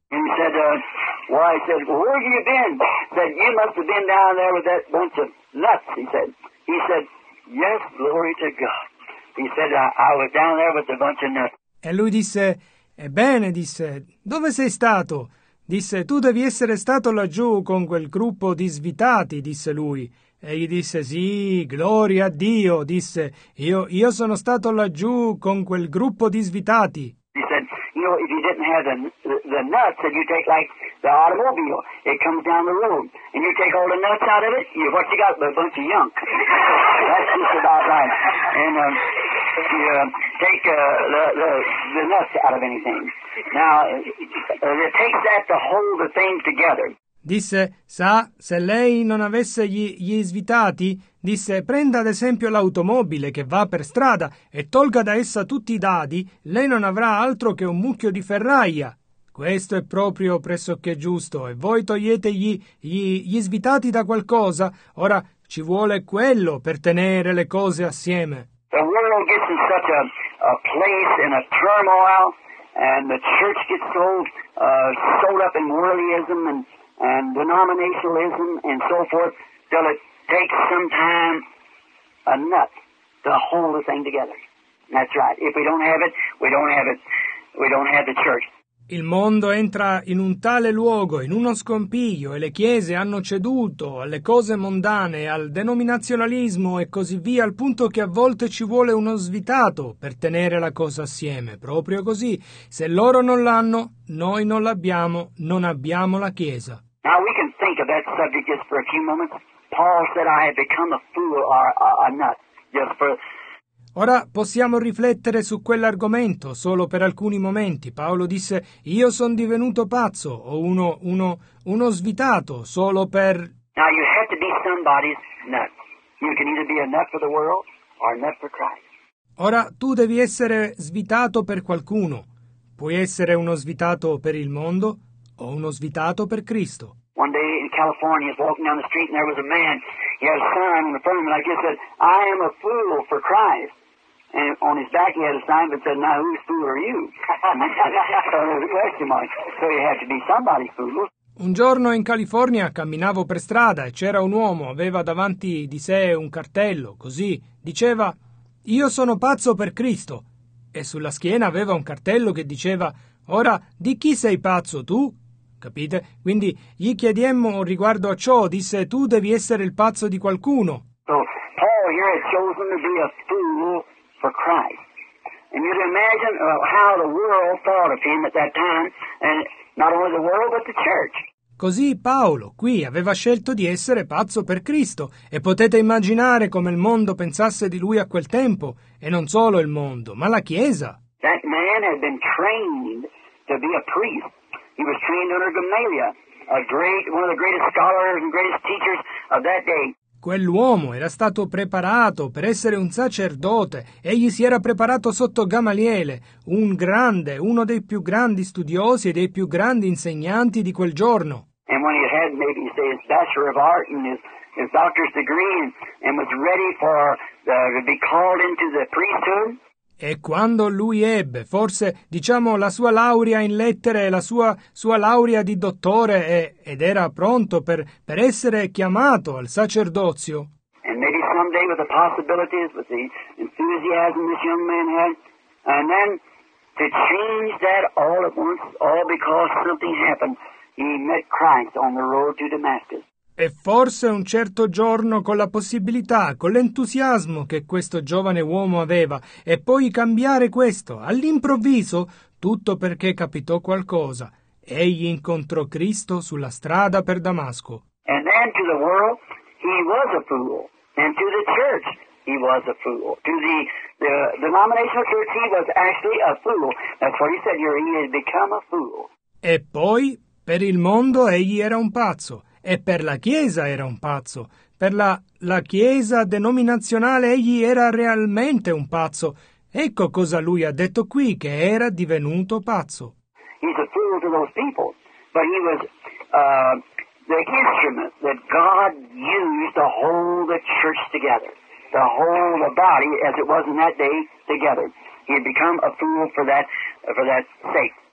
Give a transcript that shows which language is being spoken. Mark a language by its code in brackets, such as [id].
[en] And he said, why? He said, where have you been? He said, you must have been down there with that bunch of nuts, he said. He said, yes, glory to God. He said, I was down there with a bunch of nuts. [it] E lui disse, ebbene, disse, dove sei stato? Disse, tu devi essere stato laggiù con quel gruppo di svitati, disse lui. E gli disse, sì, gloria a Dio, disse, io sono stato laggiù con quel gruppo di svitati. [en] He said, you know, if you didn't have the nuts, and you take like the automobile, it comes down the road, and you take all the nuts out of it, you, what you got but a bunch of junk. That's just about right. And if you take the nuts out of anything. Now, it takes that to hold the thing together. [it] Disse, sa, se lei non avesse gli svitati, disse, prenda ad esempio l'automobile che va per strada e tolga da essa tutti i dadi, lei non avrà altro che un mucchio di ferraia. Questo è proprio pressoché giusto. E voi togliete gli svitati da qualcosa, ora ci vuole quello per tenere le cose assieme. [en] The world gets in such a place in a turmoil, and the church gets sold up in worldlyism and denominationalism and so forth, till it takes some time, a nut, to hold the thing together. That's right. If we don't have it, we don't have it. We don't have the church. [it] Il mondo entra in un tale luogo, in uno scompiglio, e le chiese hanno ceduto alle cose mondane, al denominazionalismo e così via, al punto che a volte ci vuole uno svitato per tenere la cosa assieme. Proprio così. Se loro non l'hanno, noi non l'abbiamo, non abbiamo la chiesa. [en] Now we can think of that subject just for a few moments. Paul said, I have become a fool or a nut. Just for... [it] Ora possiamo riflettere su quell'argomento solo per alcuni momenti. Paolo disse, io sono divenuto pazzo o uno svitato solo per... [en] Now you have to be somebody's nut. You can either be a nut for the world or a nut for Christ. [it] Ora tu devi essere svitato per qualcuno. Puoi essere uno svitato per il mondo o uno svitato per Cristo. [en] One day in California, I was walking down the street and there was a man. He had a sign in the front of him and I just said, I am a fool for Christ. And on his back he had a sign that said, "Now whose fool are you?" So there was a question mark. So you had to be somebody's fool. [it] Un giorno in California camminavo per strada e c'era un uomo, aveva davanti di sé un cartello, così, diceva: "Io sono pazzo per Cristo", e sulla schiena aveva un cartello che diceva: "Ora, di chi sei pazzo tu?" Capite? Quindi gli chiediemmo riguardo a ciò, disse: "Tu devi essere il pazzo di qualcuno." [en] So, Paul here has chosen to be a fool for Christ. And you can imagine how the world thought of him at that time, and not only the world, but the church. [it] Così Paolo qui aveva scelto di essere pazzo per Cristo, e potete immaginare come il mondo pensasse di lui a quel tempo, e non solo il mondo, ma la Chiesa. [en] That man had been trained to be a priest. He was trained under Gamaliel, one of the greatest scholars and greatest teachers of that day. [it] Quell'uomo era stato preparato per essere un sacerdote. Egli si era preparato sotto Gamaliele, un grande, uno dei più grandi studiosi e dei più grandi insegnanti di quel giorno. [en] And when he had maybe say his bachelor of art and his doctor's degree and was ready for to be called into the priesthood. [it] E quando lui ebbe, forse, diciamo, la sua laurea in lettere, la sua laurea di dottore, ed era pronto per essere chiamato al sacerdozio. [en] And maybe someday with the possibilities, with the enthusiasm this young man had, and then to change that all at once, all because something happened, he met Christ on the road to Damascus. [it] E forse un certo giorno, con la possibilità, con l'entusiasmo che questo giovane uomo aveva, e poi cambiare questo, all'improvviso, tutto perché capitò qualcosa. Egli incontrò Cristo sulla strada per Damasco. [en] And then to the world, he was a fool. And to the church, he was a fool. To the denominational church, he was actually a fool. That's what he said, he had become a fool. [it] E poi, per il mondo, egli era un pazzo. E per la Chiesa era un pazzo. Per la Chiesa denominazionale egli era realmente un pazzo. Ecco cosa lui ha detto qui, che era divenuto pazzo. [en] He's a fool to those people, but he was the instrument that God used to hold the church together, to hold the body as it was in that day together. He had become a fool for that sake.